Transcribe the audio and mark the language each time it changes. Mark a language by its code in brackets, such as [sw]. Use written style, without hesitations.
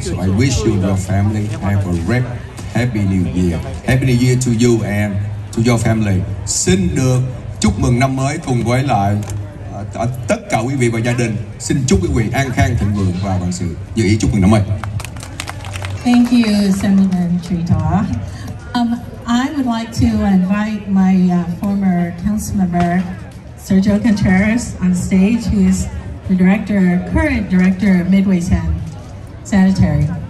[en] So I wish you and your family have a great Happy New Year. Happy New Year to you and to your family. [vi] Xin được chúc mừng năm mới cùng với lại tất cả quý vị và gia đình. Xin chúc quý vị an khang thịnh vượng và vạn sự như ý. Chúc mừng năm mới. [en] Thank you, Assemblyman Trita. I would like to invite my former council member Sergio Contreras on stage, who is the director, current director of Midway Sanitary.